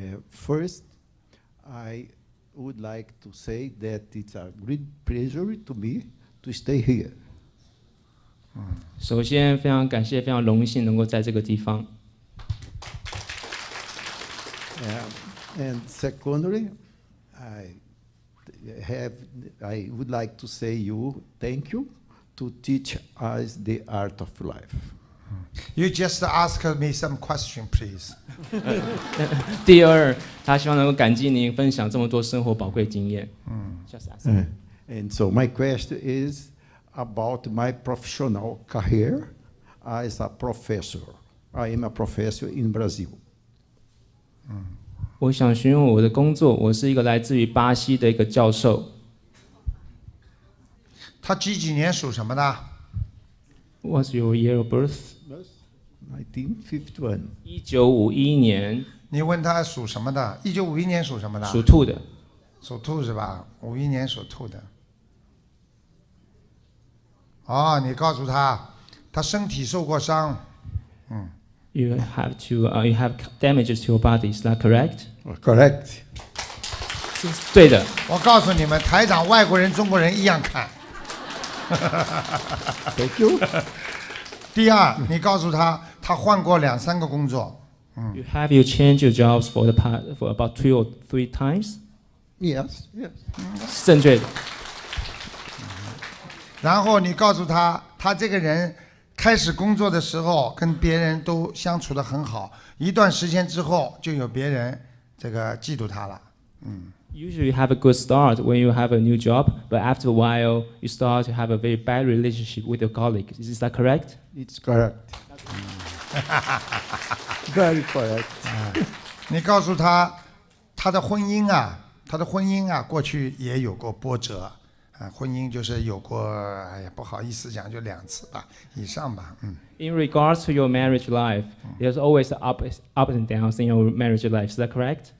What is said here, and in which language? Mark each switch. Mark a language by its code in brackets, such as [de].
[en] First, I would like to say that it's a great pleasure to me to stay here. [zh] 首先非常感谢，非常荣幸能够在这个地方。 [en] And secondly, I would like to say you thank you to teach us the art of life. You just ask me some question, please. [zh] 第二，他希望能够感激您分享这么多生活宝贵经验。 [en] And so my question is about my professional career as a professor. I am a professor in Brazil. [zh] 我想询问我的工作，我是一个来自于巴西的一个教授。他几几年属什么的 [en] ？What's your year of birth? 1951。 [zh] 一九五一年。你问他属什么的？一九五一年属什么的？属兔的。属兔是吧？五一年属兔的。哦，你告诉他，他身体受过伤，嗯。 [en] You have damages to your body. Is that correct? Correct. [zh] 对的。我告诉你们，台长，外国人、中国人一样看。 [en] Thank you. [zh] 第二，你告诉他，他换过两三个工作。 [en] You changed your jobs for about two or three times? Yes. Yes. [zh] 正确的。然后你告诉他，他这个人。开始工作的时候跟别人都相处得很好，一段时间之后就有别人这个嫉妒他了。 [en] Usually you have a good start when you have a new job, but after a while you start to have a very bad relationship with your colleagues. Is that correct? It's correct. Very correct. [zh] 你告诉他，他的婚姻啊，他的婚姻啊，过去也有过波折。婚姻就是有过，哎呀，不好意思讲，就两次吧，以上吧，嗯。 [en] In regards to your marriage life, there's always ups and downs in your marriage life. Is that correct?